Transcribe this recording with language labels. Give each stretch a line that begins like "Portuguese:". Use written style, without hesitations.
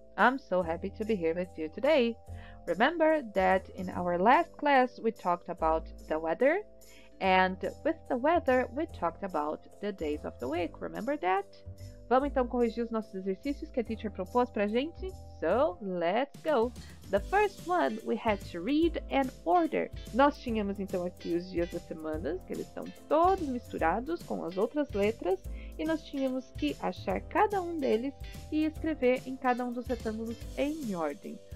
English: I'm so happy to be here with you today. Remember that in our last class we talked about the weather, and with the weather we talked about the days of the week, remember that?
Portuguese: Vamos então corrigir os nossos exercícios que a teacher propôs pra gente?
English: So, let's go! The first one, we had to read and order.
Portuguese: Nós tínhamos então aqui os dias da semana, que eles estão todos misturados com as outras letras, e nós tínhamos que achar cada um deles e escrever em cada um dos retângulos em ordem.